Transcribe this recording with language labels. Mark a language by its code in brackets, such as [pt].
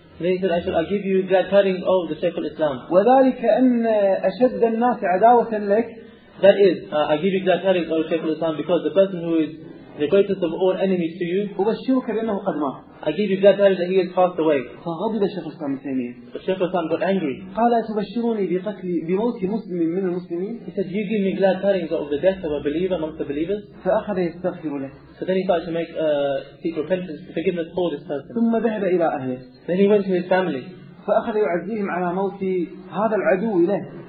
[en] Then he said, I'll give you glad tidings of the Shaykh al-Islam. [ar] وذلك أن أشد الناس عداوة لك. [en] That is, I give you that tariq of Shaykh al-Islam because the person who is the greatest of all enemies to you, I give you that tariq that he has passed away. [ar] فغضب شيخ الإسلام الثاني. [en] Shaykh al-Islam got angry. [ar] قال أتبشروني بموت مسلم من المسلمين. [en] He said, do you give me glad tidings of the death of a believer amongst the believers? [ar] فأخذ يستغفر له. [en] So then he started to seek repentance, forgiveness for this person. [ar] ثم ذهب إلى أهله. [en] Then he went to his family. [ar] فأخذ يعزيهم على موت هذا العدو له.